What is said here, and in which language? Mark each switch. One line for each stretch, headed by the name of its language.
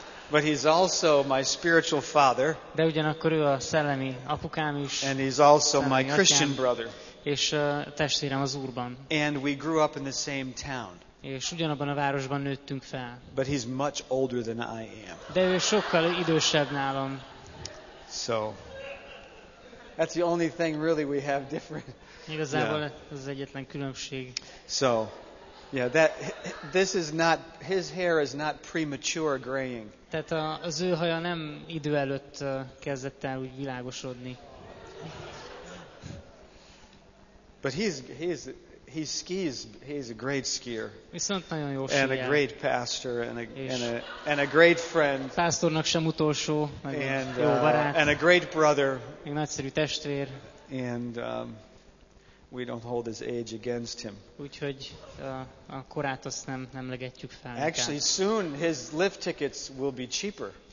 English: But he's also my spiritual father.
Hungarian: De ugyanakkor ő a szellemi apukám is.
English: And he's also my Christian brother.
Hungarian: És testvérem az Úrban.
English: And we grew up in the same town.
Hungarian: És ugyanabban a városban nőttünk fel.
English: But he's much older than I am.
Hungarian: De ő sokkal idősebb nálam.
English: So that's the only thing really we have different.
Hungarian: Igazából ez az egyetlen különbség.
English: So Yeah, that this is not his hair is not premature graying.
Hungarian: Tehát az ő haja nem idő előtt kezdett el úgy világosodni.
English: But he's a great skier.
Hungarian: Viszont nagyon jó síjel.
English: And a great pastor and a great friend.
Hungarian: Pásztornak sem utolsó, nagyon jó barát.
English: And a great brother.
Hungarian: Egy nagyszerű testvér.
English: And we don't hold his age against him.
Hungarian: Úgyhogy a korát azt nem legetjük fel.
English: Actually, soon his lift tickets will be cheaper.